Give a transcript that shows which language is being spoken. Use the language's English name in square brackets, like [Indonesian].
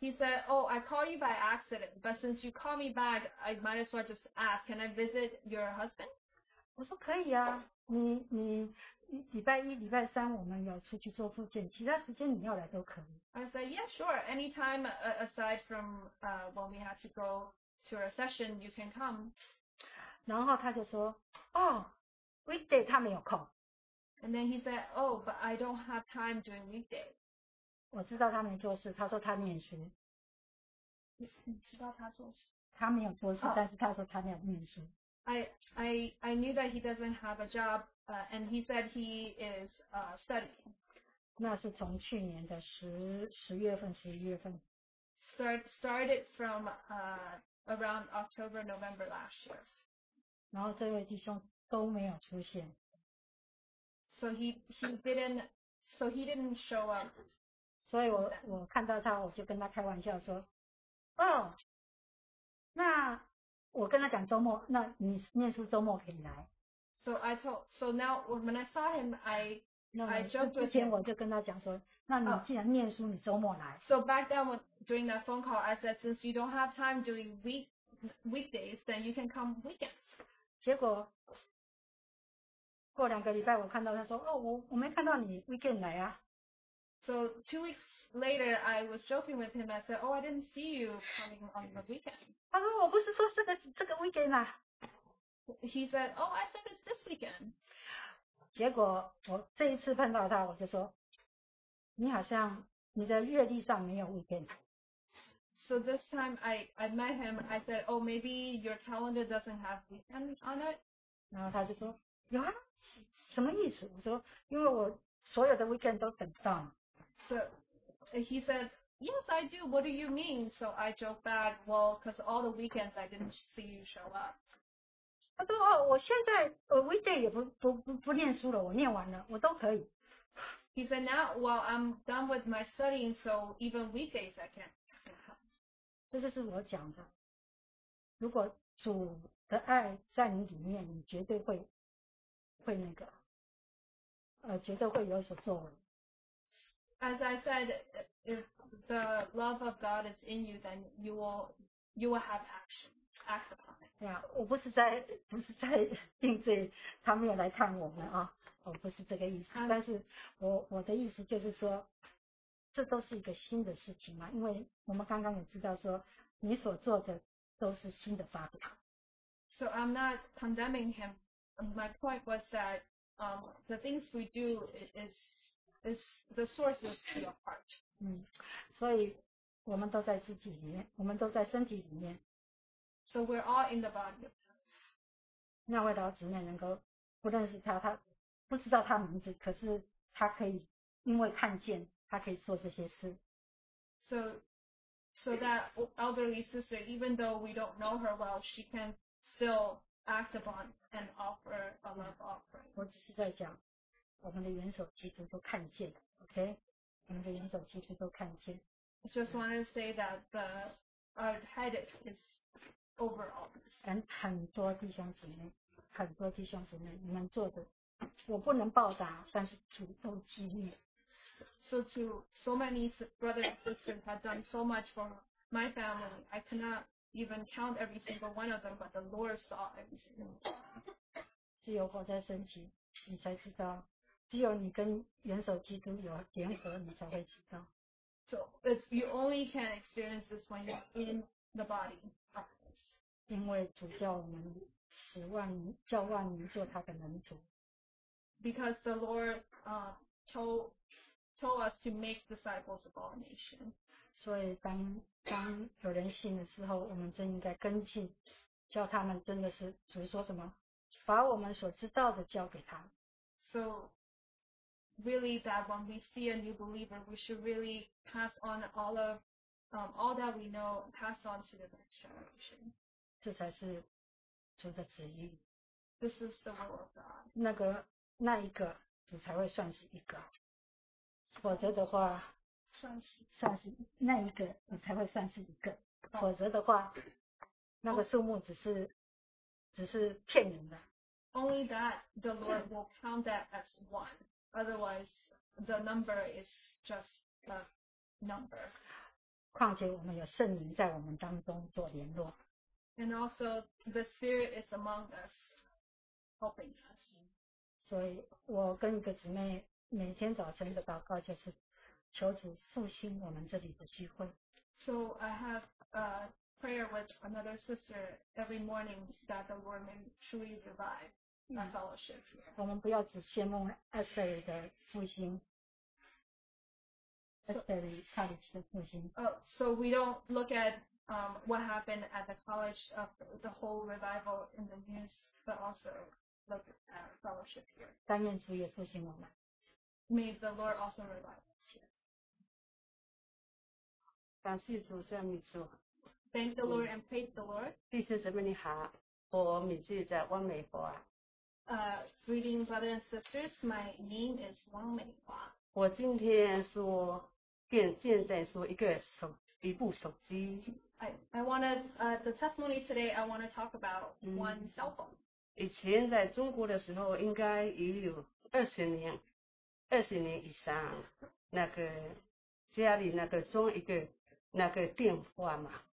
[English] He said, "Oh, I called you by accident, but since you called me back, I might as well just ask. Can I visit your husband?" [Chinese] 我说可以啊。你礼拜一礼拜三我们要出去做复健，其他时间你要来都可以。 [English] I said, yeah, sure. Anytime aside from when we have to go to our session, you can come. [Chinese] 然后他就说，哦 ，weekday 他没有空。 [English] And then he said, oh, but I don't have time during weekday. [Chinese] 我知道他没做事，他说他念书。你知道他做事？他没有做事，但是他说他没有念书。 [English] I knew that he doesn't have a job, and he said he is studying. [Chinese] 那是从去年的十月份。 [English] Started from around October, November last year. [Chinese] 然后这位弟兄都没有出现。 [English] So he didn't show up. [Chinese] 所以我看到他，我就跟他开玩笑说，哦，那。我跟他讲周末，那你念书周末可以来。 [English] So now when I saw him, I joked with him. [Chinese] 之前我就跟他讲说，那你既然念书，你周末来。 [English] So back then, during that phone call, I said, since you don't have time during weekdays, then you can come weekends. [Chinese] 结果过两个礼拜，我看到他说，哦，我没看到你 weekend 来啊。 [English] So 2 weeks later, I was joking with him. I said, oh, I didn't see you coming on the weekend. [Chinese] 他说我不是说这个 weekend 啊。 [English] He said, oh, I said it's this weekend. [Chinese] 结果我这一次碰到他，我就说，你好像你的月历上没有 weekend。 [English] So this time I met him, I said, oh, maybe your calendar doesn't have weekend on it. [Chinese] 然后他就说有啊，什么意思？我说因为我所有的 weekend 都等不到。 [English] So he said, yes, I do. What do you mean? So I joke back, well, because all the weekends I didn't see you show up. [Chinese] 他说哦，我现在weekday 也不念书了，我念完了，我都可以。 He said, now, well, I'm done with my studying, so even weekdays I can. 这就是我讲的。如果主的爱在你里面，你绝对会那个，绝对会有所作为。 [English] As I said, if the love of God is in you, then you will have action, act upon it. [Chinese] 对啊，我不是在定罪，他没有来看我们啊，我不是这个意思。但是我的意思就是说，这都是一个新的事情嘛，因为我们刚刚也知道说，你所做的都是新的发表。 [English] So I'm not condemning him. My point was that the things we do is the source is to your heart. [Chinese] 所以我们都在自己里面，我们都在身体里面。 [English] So we're all in the body. [Chinese] 那位老姊妹能够不认识他，他不知道他名字，可是他可以因为看见，他可以做这些事。 [English] So that elderly sister, even though we don't know her well, she can still act upon and offer a love offering. [Chinese] 我只是在讲，我们的元首基督都看见 ，OK？我们的元首基督都看见。 [English] I just want to say that our head is over all this. [Chinese] And 很多弟兄姊妹，很多弟兄姊妹，你们做的，我不能报答，但是主都纪念。 [English] So many brothers and sisters have done so much for my family. I cannot even count every single one of them, but the Lord saw every single one. [Chinese] 只有活在身体，你才知道；只有你跟元首基督有联合，你才会知道。 [English] So you only can experience this when you're in the body. [Chinese] 因为主叫我们十万叫万民做他的门徒。 [English] Because the Lord told us to make disciples of all nations. [Chinese] 所以当有人信的时候，我们真应该跟进，叫他们真的是主说什么，把我们所知道的交给他。 [English] So really, that when we see a new believer, we should really pass on all of all that we know, pass on to the next generation. [Chinese] 这才是主的旨意。 [English] This is the will of God. [Chinese] 那一个主才会算是一个。否则的话，算是那一个，你才会算是一个。否则的话，那个数目只是骗人的。 [English] Only that the Lord will count that as one. Otherwise, the number is just a number. [Chinese] 况且我们有圣灵在我们当中做联络。 [English] And also, the Spirit is among us, helping us. [Chinese] 所以我跟一个姊妹。每天早晨的祷告就是求主复兴我们这里的聚会。 [English] So I have a prayer with another sister every morning that the Lord may truly revive our fellowship here. [Chinese] 我们不要只羡慕 Esther 的复兴 ，Esther College 的复兴。 [English] So we don't look at what happened at the college of the whole revival in the news, but also look at our fellowship here. [Chinese] 但愿主也复兴我们。 [English] May the Lord also revive us. [Chinese] 感谢主，赞美主。 [English] Thank the Lord and praise the Lord. [Chinese] 弟兄姊妹你好，我名字叫王美华。 [English] Greeting brothers and sisters, my name is Wang Mei Hua. [Chinese] 我今天说见现在说一个手一部手机。 [English] I want to the testimony today. I want to talk about one cell phone. [Chinese] 以前在中国的时候，应该已有二十年以上，那个家里那个装一个那个电话嘛。